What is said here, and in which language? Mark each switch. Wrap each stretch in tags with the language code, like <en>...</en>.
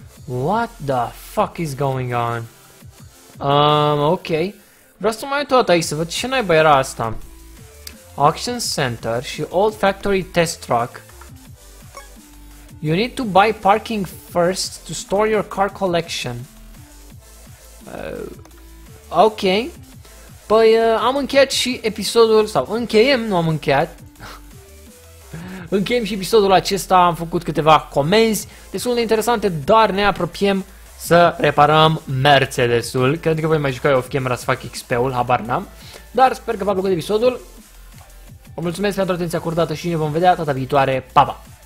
<en>What the fuck is going on? Ok.</en> <ro>Vreau să mai tot aici să văd ce naiba era asta.</ro> <en>Auction center</en> <ro>și</ro> <en>old factory test truck. You need to buy parking first to store your car collection. Ok.</en> <ro>Păi am încheiat și episodul, sau încheiem, nu am încheiat. Încheiem și episodul acesta, am făcut câteva comenzi destul de interesante, dar ne apropiem să reparăm Mercedesul. Cred că voi mai juca eu off-camera să fac XP-ul, habar n-am. Dar sper că v-a plăcut episodul. Vă mulțumesc pentru atenția acordată și ne vom vedea data viitoare. Pa, pa!</ro>